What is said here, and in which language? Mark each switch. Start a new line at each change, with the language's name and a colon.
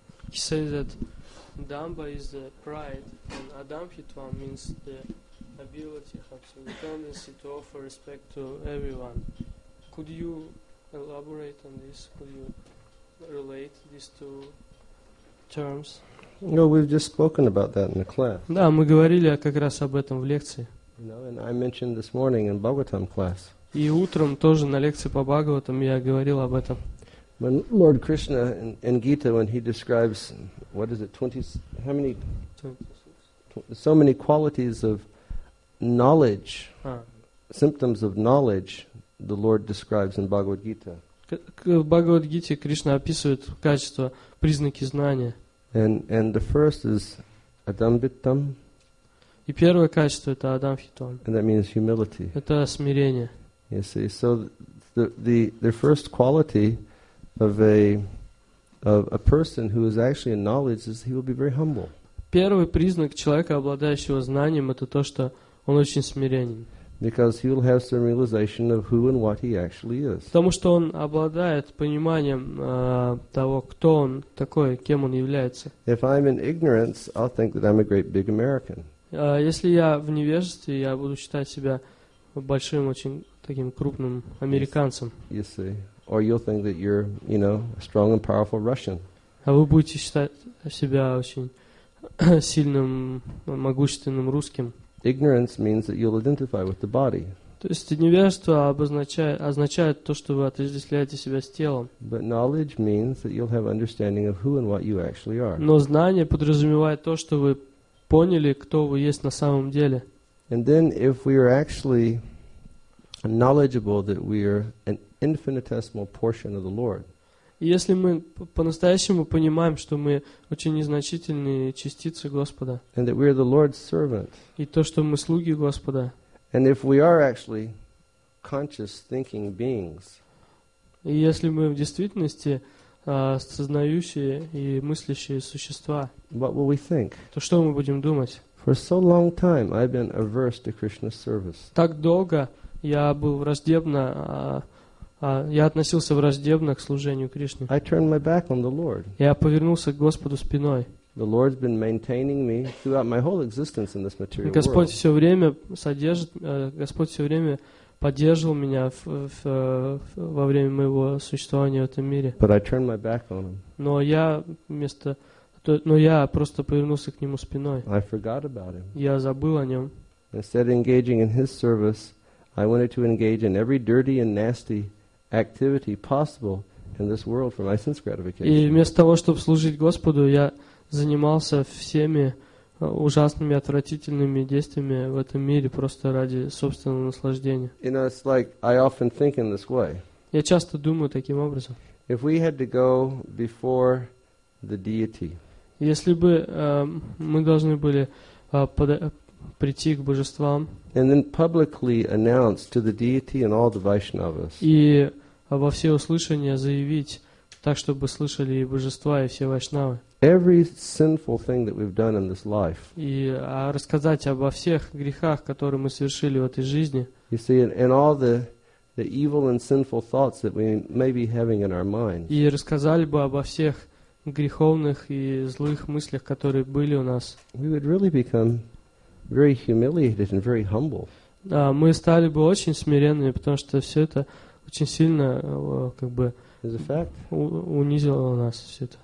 English: He says that Damba is the pride, and Adamhitvam means the ability, the tendency to offer respect to everyone. Could you elaborate on this? Could you relate these two terms? No, we've just spoken about that in the class.
Russian: Да, мы говорили как раз об этом в лекции.
English: You know, and I mentioned this morning in Bhagavatam class.
Russian: И утром тоже на лекции по Бхагаватам я говорил об этом.
English: When Lord Krishna in Gita, when he describes, what is it, 20, how many, so many qualities of knowledge, symptoms of knowledge, the Lord describes in Bhagavad Gita.
Russian: В Бхагавад Гите Кришна описывает качества, признаки знания.
English: And the first is adambittam.
Russian: И первое качество это адамхитам.
English: And that means humility.
Russian: Это смирение.
English: You see, so the first quality of a person who is actually in knowledge is he will be very humble.
Russian: Первый признак человека, обладающего знанием, это то, что он очень смиренен.
English: Because he will have some realization of who and what he actually is.
Russian: Потому что он обладает пониманием того, кто он такой, кем он является.
English: If I'm in ignorance, I'll think that I'm a great big American.
Russian: Если я в невежестве, я буду считать себя большим, очень таким крупным американцем.
English: You see. Or you'll think that you're, you know, a strong and powerful Russian.
Russian: А вы будете считать себя очень сильным, могущественным русским.
English: Ignorance means that you'll identify with the body.
Russian: То есть невежество означает то, что вы отождествляете себя с телом.
English: But knowledge means that you'll have understanding of who and what you actually are.
Russian: Но знание подразумевает то, что вы поняли, кто вы есть на самом деле.
English: And then if we are actually knowledgeable that we are an infinitesimal portion of the Lord.
Russian: Если мы по-настоящему понимаем, что мы очень незначительные частицы Господа,
English: and that we are the Lord's servant,
Russian: и то, что мы слуги Господа,
English: and if we are actually conscious thinking beings,
Russian: и если мы в действительности сознающие и мыслящие существа,
English: what will we think?
Russian: То что мы будем думать?
English: For so long time I've been averse to Krishna's service.
Russian: Так долго я был враждебно я относился враждебно к служению Кришне.
English: I turned my back on the Lord.
Russian: Я повернулся к Господу спиной.
English: The Lord's been maintaining me throughout my whole existence in this material world.
Russian: Господь все время содержит, Господь все время поддерживал меня во время моего существования в этом мире.
English: But I turned my back on him.
Russian: Но я просто повернулся к нему спиной.
English: I forgot about him.
Russian: Я забыл о нем.
English: Instead of engaging in his service, I wanted to engage in every dirty and nasty activity possible in this world for my sense gratification.
Russian: И вместо того, чтобы служить Господу, я занимался всеми ужасными, отвратительными действиями в этом мире просто ради собственного наслаждения.
English: You know, it's like I often think in this way.
Russian: Я часто думаю таким образом.
English: If we had to go before the deity.
Russian: Если бы мы должны были прийти к божествам.
English: And then publicly announce to the deity and all the Vaishnavas.
Russian: И во всеуслышание заявить так, чтобы слышали и божества, и все вайшнавы.
English: Every sinful thing that we've done in this life.
Russian: И рассказать обо всех грехах, которые мы совершили в этой жизни.
English: You see, and all the evil and sinful thoughts that we may be having in our minds.
Russian: И рассказали бы обо всех греховных и злых мыслях, которые были у нас.
English: We would really become very humiliated and very humble.
Russian: Да, мы стали бы очень смиренными, потому что все это очень сильно, как бы, унизило нас все это.